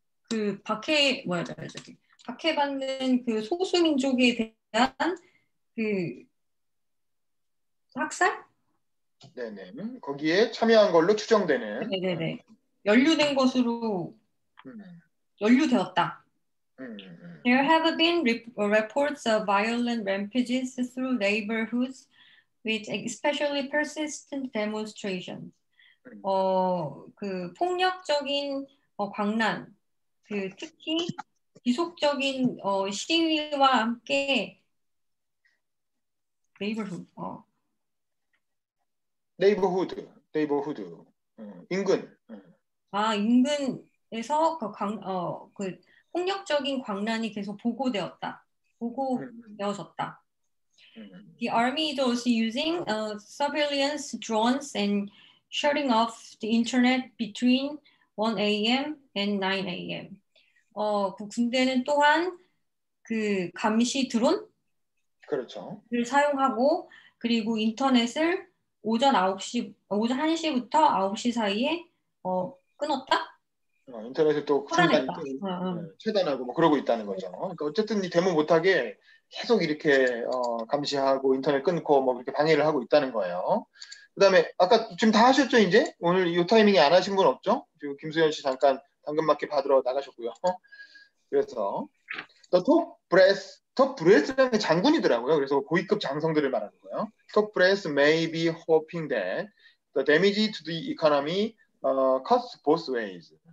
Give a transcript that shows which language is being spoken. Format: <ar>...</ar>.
<ko>그 박해 뭐야 저기 박해받는 그 소수민족에 대한 그 학살? 네네. 거기에 참여한 걸로 추정되는. 네네네. 연루된 것으로 연루되었다.</ko> <en>There have been reports of violent rampages through neighborhoods with especially persistent demonstrations.</en> <ko>그 폭력적인 광란, 그 특히 지속적인 시위와 함께 neighborhood. 네이버후드, 인근. 아, 인근에서 그 폭력적인 광란이 계속 보고되었다. 보고되어졌다.</ko> <en>The army is also using surveillance drones and shutting off the internet between 1 a.m. and 9 a.m.</en> <ko>그 군대는 또한 그 감시 드론? 그렇죠. 를 사용하고 그리고 인터넷을 오전 1시부터 9시 사이에 끊었다? 인터넷을 또 중간 차단하고 뭐 그러고 있다는 거죠. 그러니까 어쨌든 이 데모 못하게 계속 이렇게 감시하고 인터넷 끊고 뭐 이렇게 방해를 하고 있다는 거예요. 그다음에 아까 지금 다 하셨죠 이제? 오늘 이 타이밍에 안 하신 분 없죠? 지금 김수현 씨 잠깐 당근마켓 받으러 나가셨고요. 그래서 더 톱 브레스라는 게 장군이더라고요. 그래서 고위급 장성들을 말하는 거예요.</ko> <en>Top brass may be hoping that the damage to the economy cuts both ways.</en>